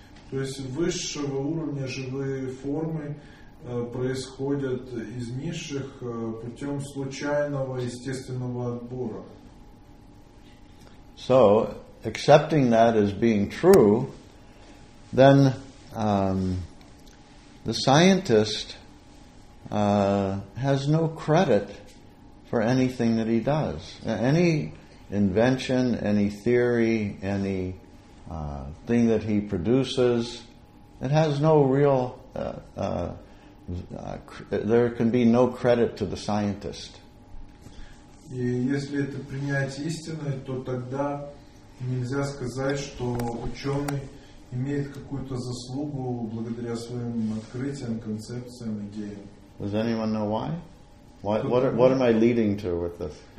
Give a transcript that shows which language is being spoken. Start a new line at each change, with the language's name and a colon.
Russian: То есть высшего уровня живые формы происходят из низших путем случайного естественного отбора.
English: So accepting that as being true, then the scientist has no credit for anything that he does. Any invention, any theory, any thing that he produces, it has no real, there can be no credit to the scientist.
Russian: И если это принять истиной, то тогда нельзя сказать, что ученый имеет какую-то заслугу благодаря своим открытиям, концепциям, идеям.
English: Does anyone know why? What am I leading to with this?